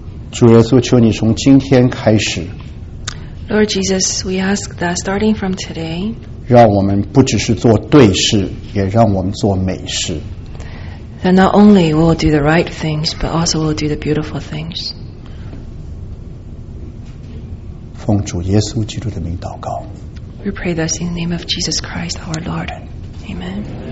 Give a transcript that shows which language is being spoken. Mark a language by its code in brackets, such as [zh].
[zh] 主耶稣，求你从今天开始。 [en] Lord Jesus, we ask that starting from today, [zh] 让我们不只是做对事，也让我们做美事。 [en] That not only we'll do the right things, but also we'll do the beautiful things. [zh] 奉主耶稣基督的名祷告。 [en] We pray this in the name of Jesus Christ, our Lord. Amen.